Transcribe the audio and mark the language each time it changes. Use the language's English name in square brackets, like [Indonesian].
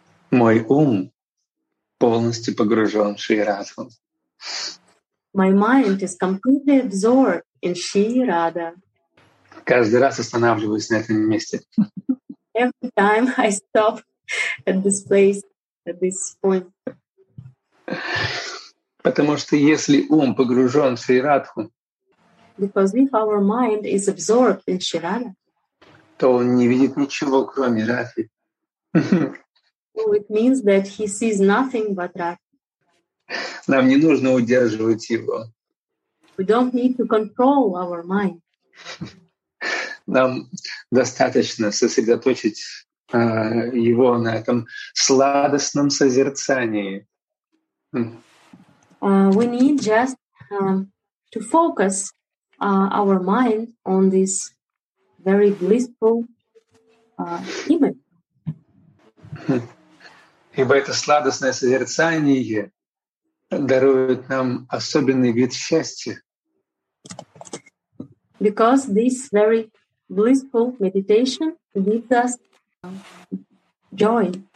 [Russian] Мой ум полностью погружен в Шри Радху. [English] My mind is completely absorbed in Shri Radha. [Russian] Каждый раз останавливаюсь на этом месте. [English] Every time I stop at this place, at this point. [Russian] Потому что если ум погружен в Шри Радху, [English] because if our mind is absorbed in Shri Radha, [Russian] то он не видит ничего, кроме Радхи. [English] So it means that he sees nothing but Radha. [Russian] Нам не нужно удерживать его. [English] We don't need to control our mind. [Russian] Нам достаточно сосредоточить его на этом сладостном созерцании. [English] We need just to focus our mind on this very blissful image. [Russian] Ибо это сладостное созерцание дарует нам особенный вид счастья. [English] Because this very blissful meditation gives us joy.